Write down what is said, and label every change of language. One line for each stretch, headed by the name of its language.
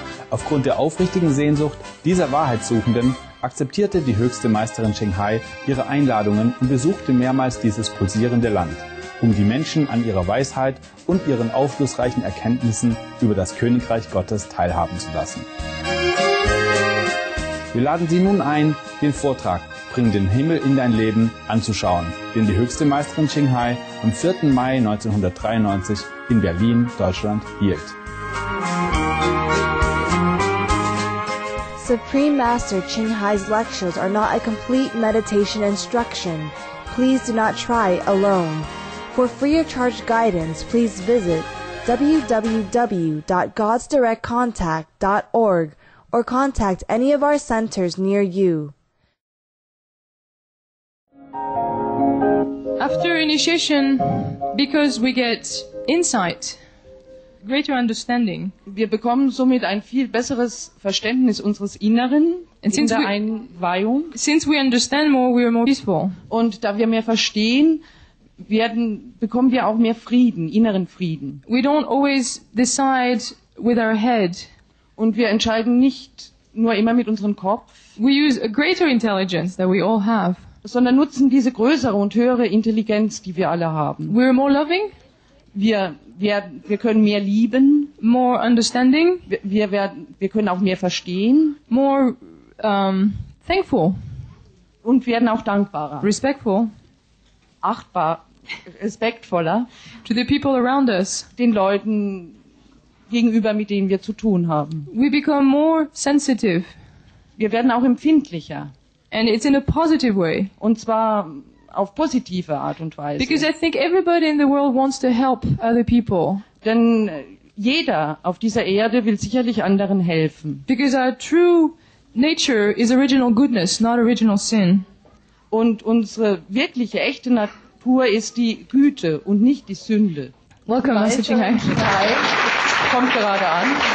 German: Aufgrund der aufrichtigen Sehnsucht dieser Wahrheitssuchenden akzeptierte die höchste Meisterin Qinghai ihre Einladungen und besuchte mehrmals dieses pulsierende Land, um die Menschen an ihrer Weisheit und ihren aufschlussreichen Erkenntnissen über das Königreich Gottes teilhaben zu lassen. Wir laden Sie nun ein, den Vortrag Bring den Himmel in dein Leben anzuschauen, den die höchste Meisterin Qinghai am 4. Mai 1993 in Berlin, Deutschland hielt.
English: Supreme Master Qinghai's lectures are not a complete meditation instruction. Please do not try alone. For free of charge guidance, please visit www.godsdirectcontact.org or contact any of our centers near you. After initiation, because we get insight, greater understanding.
German: Wir bekommen somit ein viel besseres Verständnis unseres Inneren in der Einweihung.
English: Since we understand more, we are more peaceful.
German: Und da wir mehr verstehen, bekommen wir auch mehr Frieden, inneren Frieden.
English: We don't always decide with our head.
German: Und wir entscheiden nicht nur immer mit unserem Kopf.
English: We use a greater intelligence that we all have.
German: Sondern nutzen diese größere und höhere Intelligenz, die wir alle haben.
English: We're more loving.
German: Wir können mehr lieben.
English: More understanding.
German: Wir können auch mehr verstehen.
English: More thankful.
German: Und werden auch dankbarer.
English: Respectful.
German: Achtbar. Respektvoller.
English: To the people around us.
German: Den Leuten gegenüber, mit denen wir zu tun haben.
English: We become more sensitive.
German: Wir werden auch empfindlicher.
English: And it's in a positive way.
German: Und zwar auf positive Art und Weise.
English: Because I think everybody in the world wants to help other people.
German: Denn jeder auf dieser Erde will sicherlich anderen helfen.
English: Because our true nature is original goodness, not original sin.
German: Und unsere wirkliche, echte Natur ist die Güte und nicht die Sünde.
English: Welcome, Master Qinghai.
German: Hi. Kommt gerade an.